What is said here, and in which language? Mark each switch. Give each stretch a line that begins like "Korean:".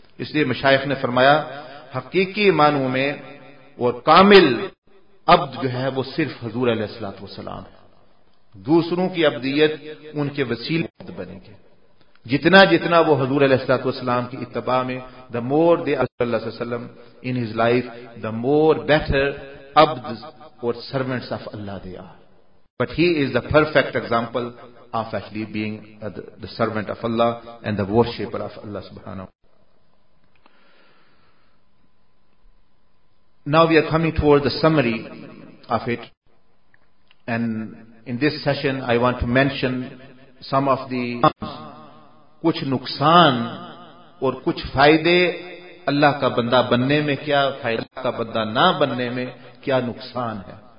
Urdu: اس لیے مشائخ نے فرمایا حقیقی معنوں میں اور کامل عبد جو ہے وہ صرف حضور علیہ الصلوۃ والسلام ہے. دوسروں کی عبدیت ان کے وسیلے عبد بنیں گے, جتنا جتنا وہ حضور علیہ الصلوۃ والسلام کی اتباع میں,
English: The more they اللہ صلی اللہ علیہ وسلم in his life, the more better عبد اور سرونٹس آف اللہ they are. But he is the perfect example of actually being the servant of اللہ اینڈ دا ورشپر آف اللہ سبحانہ. Now we are coming towards the summary of it, and in this session I want to mention some of the
Urdu: کچھ نقصان اور کچھ فائدے اللہ کا بندہ بننے میں, کیا فائدہ اللہ کا بندہ نہ بننے میں کیا نقصان ہے.